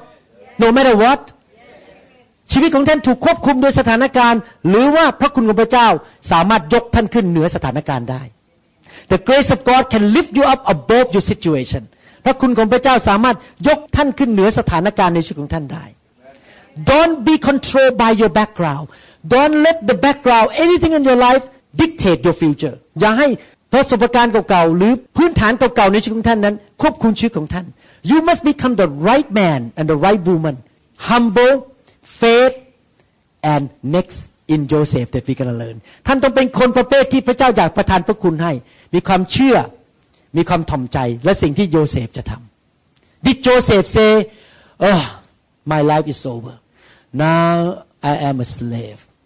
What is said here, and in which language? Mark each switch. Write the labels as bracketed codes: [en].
[en] Yes. No matter what? Yes. [th] ชีวิตของท่านถูกควบคุมโดยสถานการณ์หรือว่าพระคุณของพระเจ้าสามารถยกท่านขึ้นเหนือสถานการณ์ได้ [en] The grace of God can lift you up above your situation. [th] พระคุณของพระเจ้าสามารถยกท่านขึ้นเหนือสถานการณ์ในชีวิตของท่านได้ [en] Don't be controlled by your background. Don't let the background, anything in your life, dictate your future. [th] อย่าใหประสบการณ์เก่าๆหรือพื้นฐานเก่าๆในชีวิตของท่านนั้นควบคุมชีวิตของท่าน [en] You must become the right man and the right woman humble faith and next in Joseph that we gonna learn [th] ท่านต้องเป็นคนประเภทที่พระเจ้าอยากประทานพระคุณให้มีความเชื่อมีความถ่อมใจและสิ่งที่โยเซฟจะทำ [en] Did Joseph say Oh my life is over now I am a slave